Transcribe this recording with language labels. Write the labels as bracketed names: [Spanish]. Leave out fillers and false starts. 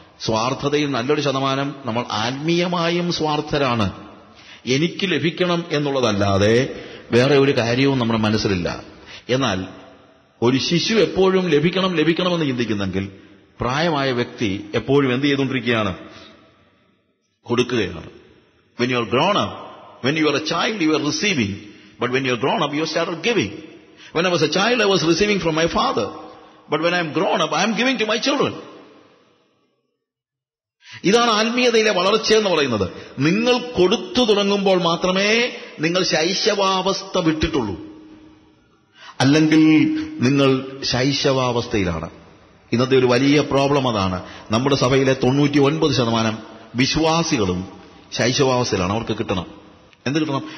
[Malayalam] സ്വാർത്ഥതയിൽ നല്ലൊരു ശതമാനം നമ്മൾ ആത്മീയമായും സ്വാർത്ഥരാണ്. എനിക്ക് ലഭിക്കണം എന്നുള്ളതല്ലാതെ വേറെ ഒരു കാര്യവും നമ്മുടെ മനസ്സിലില്ല. എന്നാൽ ഒരു ശിശു എപ്പോഴും ലഭിക്കണം ലഭിക്കണമെന്ന് ചിന്തിക്കുന്നെങ്കിൽ പ്രായമായ വ്യക്തി എപ്പോഴും എന്ത് ചെയ്തുകൊണ്ടിരിക്കുകയാണ്? കൊടുക്കുകയാണ്. [English] When you are grown up, when you are a child, you are receiving. But when you are grown up, you started giving. When I was a child, I was receiving from my father. But when I am grown up, I am giving to my children. [Malayalam] ഇതാണ് ആത്മീയതയിലെ വളർച്ച എന്ന് പറയുന്നത്. നിങ്ങൾ കൊടുത്തു തുടങ്ങുമ്പോൾ മാത്രമേ നിങ്ങൾ ശൈശവാവസ്ഥ വിട്ടിട്ടുള്ളൂ, അല്ലെങ്കിൽ നിങ്ങൾ ശൈശവാവസ്ഥയിലാണ്. ഇന്നത്തെ ഒരു വലിയ പ്രോബ്ലം അതാണ്. നമ്മുടെ സഭയിലെ 99% വിശ്വാസികളും ശൈശവാവസ്ഥയിലാണ്. അവർക്ക് കിട്ടണം. എന്ത് കിട്ടണം?